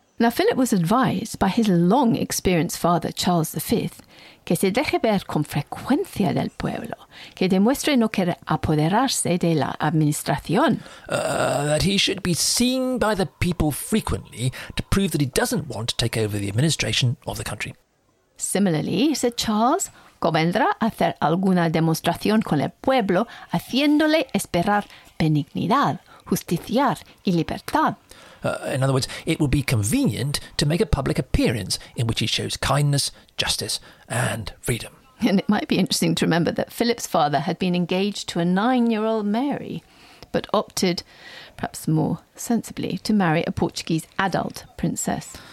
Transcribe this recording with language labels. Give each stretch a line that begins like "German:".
English: Now, Philip was advised by his long-experienced father, Charles V,
Spanish: que se deje ver con frecuencia del pueblo, que demuestre no querer apoderarse de la administración.
English: That he should be seen by the people frequently to prove that he doesn't want to take over the administration of the country. Similarly, said Charles,
Spanish: convendrá hacer alguna demostración con el pueblo haciéndole esperar benignidad, justiciar y libertad.
English: In other words, it will be convenient to make a public appearance in which he shows kindness, justice and freedom. And it might be interesting to remember that Philip's father had been engaged to a 9-year-old Mary, but opted, perhaps more sensibly, to marry a Portuguese adult princess.